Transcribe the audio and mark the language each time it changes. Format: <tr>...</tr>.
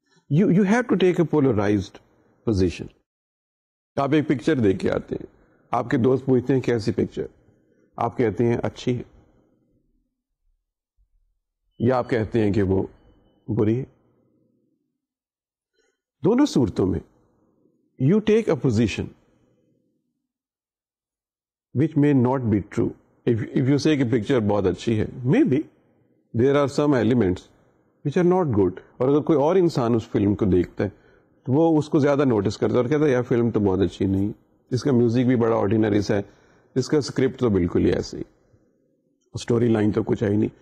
<en>You have to take a polarized position.</en> <ur>آپ ایک picture دیکھ کے آتے ہیں, آپ کے دوست پوچھتے ہیں کیسی پکچر, آپ کہتے ہیں اچھی ہے, یا آپ کہتے ہیں کہ وہ بری ہے. دونوں صورتوں میں</ur> <en>You take a position which may not be true. If you say</en> <ur>کہ پکچر بہت اچھی ہے,</ur> <en>may be there are some elements which are not good,</en> <ur>اور اگر کوئی اور انسان اس فلم کو دیکھتا ہے تو وہ اس کو زیادہ نوٹس کرتا ہے اور کہتا ہے یہ فلم تو بہت اچھی نہیں, اس کا میوزک بھی بڑا آرڈینری سا ہے, اس کا اسکرپٹ تو بالکل ہی ایسی, اسٹوری لائن تو کچھ ہے نہیں.</ur>